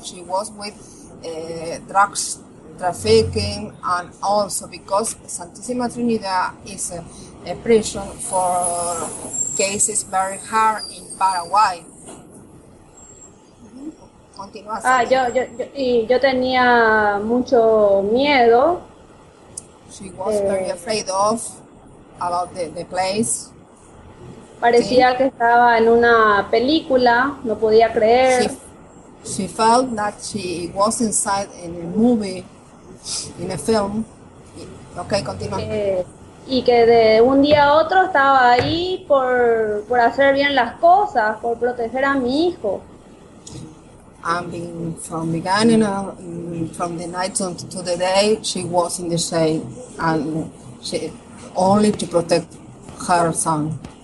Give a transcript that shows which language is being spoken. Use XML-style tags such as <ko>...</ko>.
<en>She was with drugs trafficking, and also because Santísima Trinidad is a prison for cases very hard in Paraguay.</en> <es>Continúa. Yo tenía mucho miedo.</es> <en>She was very afraid of about the place.</en> <es>Parecía que estaba en una película, no podía creer.</es> <en>She felt that she was inside in a movie. In a film. Okay,</en> <es>continúa. Y que de un día a otro estaba ahí por hacer bien las cosas, por proteger a mi hijo.</es> <en>And from beginning of, from the night to the day, she was in the shade, and she only to protect her son.</en>